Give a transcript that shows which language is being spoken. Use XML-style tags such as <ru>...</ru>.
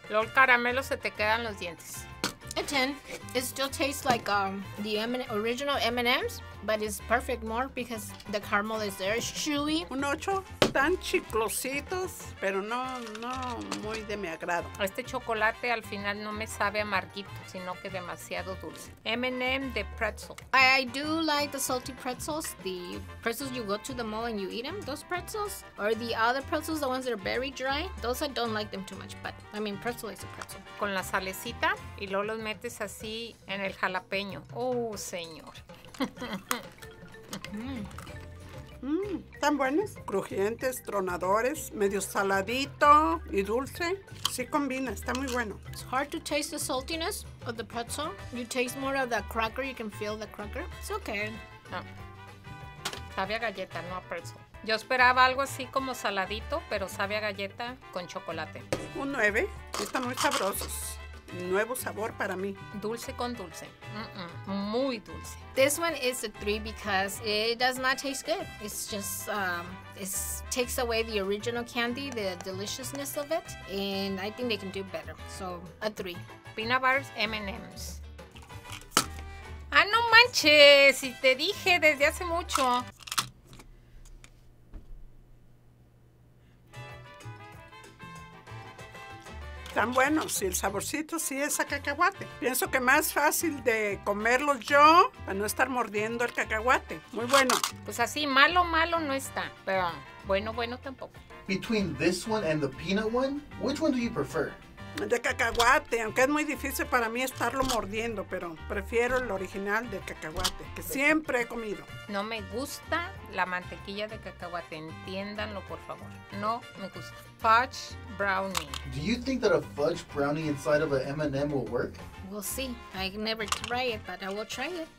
<es>Luego el caramelo se te quedan los dientes.</es> <en>A 10. It still tastes like the original M&M's, but it's perfect more because the caramel is there. It's chewy.</en> <es>Un ocho. Tan chiclositos, pero no, no muy de mi agrado. Este chocolate al final no me sabe amarguito, sino que demasiado dulce. M&M de pretzel.</es> <en>I do like the salty pretzels. The pretzels you go to the mall and you eat them, those pretzels. Or the other pretzels, the ones that are very dry. Those I don't like them too much, but I mean, pretzel is a pretzel.</en> <es>Con la salecita y luego los metes así en el jalapeño. Oh, señor. Están buenos, crujientes, tronadores, medio saladito y dulce. Sí combina, está muy bueno.</es> <en>It's hard to taste the saltiness of the pretzel. You taste more of the cracker, you can feel the cracker. It's okay.</en> <es>No. Sabe a galleta, no a pretzel. Yo esperaba algo así como saladito, pero sabe a galleta con chocolate. Un 9, están muy sabrosos. Nuevo sabor para mí. Dulce con dulce. Muy dulce.</es> <en>This one is a 3 because it does not taste good. It's just, it takes away the original candy, the deliciousness of it. And I think they can do better. So, a 3.</en> <es>Peanut bars, M&M's. Ah, no manches. Y te dije desde hace mucho. Están buenos y el saborcito sí es a cacahuate. Pienso que más fácil de comerlos yo para no estar mordiendo el cacahuate. Muy bueno. Pues así, malo, malo no está, pero bueno, bueno tampoco.</es> <en>Between this one and the peanut one, which one do you prefer?</en> <es>El de cacahuate, aunque es muy difícil para mí estarlo mordiendo, pero prefiero el original de cacahuate, que siempre he comido. No me gusta la mantequilla de cacahuate, entiéndanlo por favor. No me gusta. Fudge brownie.</es> <en>Do you think that a fudge brownie inside of an M&M will work? We'll see. I never try it, but I will try it.</en>